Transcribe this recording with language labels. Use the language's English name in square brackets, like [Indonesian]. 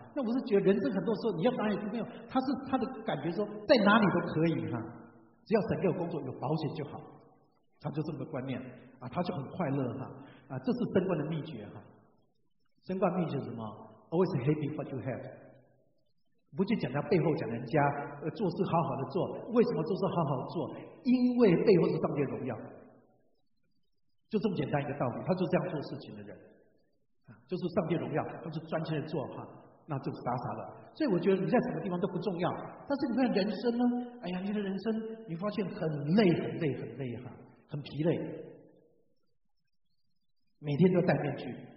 [Chinese] 那我是觉得人生很多时候你要哪里都没有，他的感觉说在哪里都可以哈，只要整个工作有保险就好，他就这么个观念啊，他就很快乐哈啊，这是升官的秘诀哈。升官秘诀是什么 ？ [English] Always happy what you have。 [Chinese] 不去讲他背后讲人家做事好好的做，为什么做事好好做？因为背后是上帝荣耀，就这么简单一个道理。他就这样做事情的人，就是上帝荣耀，他是专心的做哈，那就傻傻的。所以我觉得你在什么地方都不重要，但是你看人生呢？哎呀，你的人生你发现很累很累很累哈，很疲累，每天都戴面具。